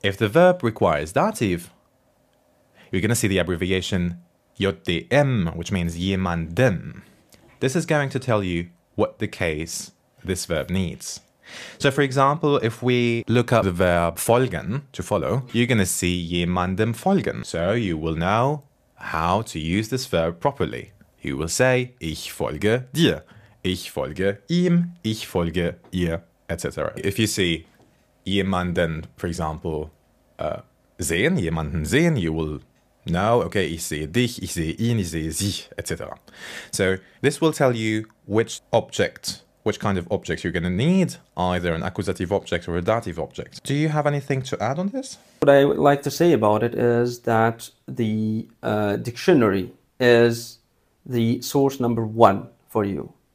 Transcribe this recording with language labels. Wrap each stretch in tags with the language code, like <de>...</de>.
<en>If the verb requires dative, you're going to see the abbreviation JDM, which means jemanden. This is going to tell you what the case this verb needs. So, for example, if we look up the verb folgen, to follow, you're going to see</en> <de>jemandem folgen.</de> <en>So, you will know how to use this verb properly. You will say,</en> <de>ich folge dir, ich folge ihm, ich folge ihr, etc.</de> <en>If you see</en> <de>jemanden,</de> <en>for example,</en> <de>sehen, jemanden sehen,</de> <en>you will know, okay,</en> <de>ich sehe dich, ich sehe ihn, ich sehe sie, etc.</de> <en>So, this will tell you which kind of object you're going to need, either an accusative object or a dative object. Do you have anything to add on this? What I would like to say about it is that the dictionary is the source number one for you.</en>